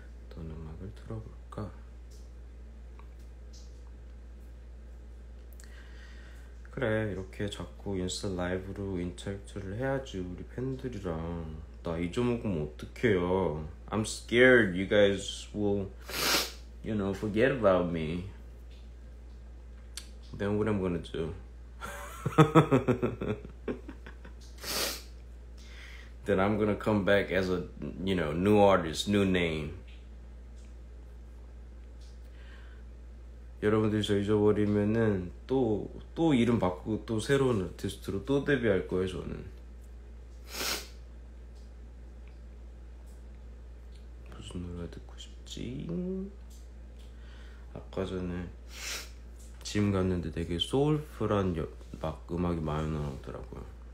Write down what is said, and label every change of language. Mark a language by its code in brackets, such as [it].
[ko] 어떤 음악을 틀어볼까? 그래, 이렇게 자꾸 인스타 라이브로 인터랙트를 해야지, 우리 팬들이랑. 나 잊어먹으면 어떡해요. [en] I'm scared you guys will, you know, forget about me. Then what am I gonna do? Then I'm gonna come back as a, you know, new artist, new name. [ko] 여러분들이 저 잊어버리면은 또 이름 바꾸고 또 새로운 아티스트로 또 데뷔할 거예요, 저는. 무슨 노래 듣고 싶지? 아까 전에 짐 갔는데 되게 소울풀한 막 음악이 많이 나오더라고요.